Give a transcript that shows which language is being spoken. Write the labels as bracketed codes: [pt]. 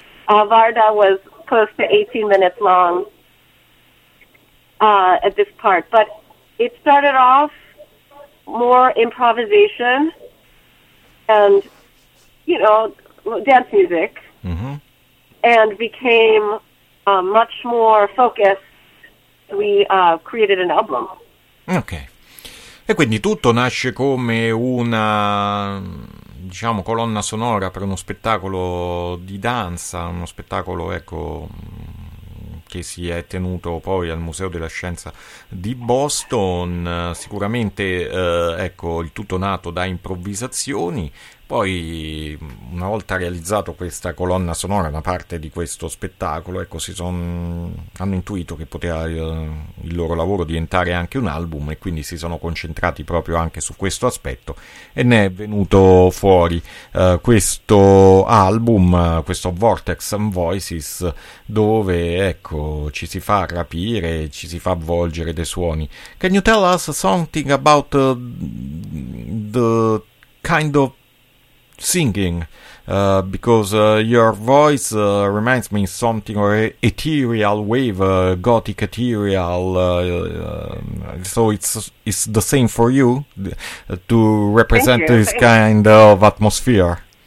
[en] Varda was close to 18 minutes long at this part. But it started off more improvisation and, you know, dance music, and became much more focused. We created an album. Okay. [it] E quindi tutto nasce come una, diciamo, colonna sonora per uno spettacolo di danza, uno spettacolo, ecco, che si è tenuto poi al Museo della Scienza di Boston. Sicuramente, ecco, il tutto nato da improvvisazioni, Poi, una volta realizzato questa colonna sonora, una parte di questo spettacolo, ecco, hanno intuito che poteva il loro lavoro diventare anche un album e quindi si sono concentrati proprio anche su questo aspetto e ne è venuto fuori questo album, questo Vortex and Voices, dove, ecco, ci si fa rapire, ci si fa avvolgere dei suoni. [en] Can you tell us something about the kind of singing, because your voice reminds me something or ethereal wave, gothic ethereal. So it's the same for you to represent this kind of atmosphere.